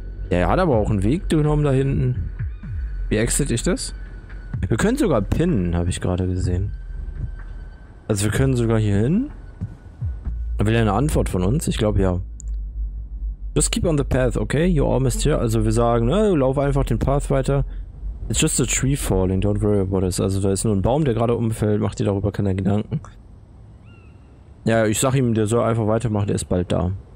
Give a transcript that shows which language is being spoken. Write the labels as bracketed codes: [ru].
[de] Der hat aber auch einen Weg genommen da hinten. Wie exit ich das? Wir können sogar pinnen, habe ich gerade gesehen. Also wir können sogar hier hin. Will er eine Antwort von uns? Ich glaube ja. [en] Just keep on the path, okay? You're almost here. [de] Also wir sagen, ne, lauf einfach den Path weiter. [en] It's just a tree falling, don't worry about it. [de] Also da ist nur ein Baum, der gerade umfällt. Mach dir darüber keine Gedanken. Ja, ich sag ihm, der soll einfach weitermachen, der ist bald da.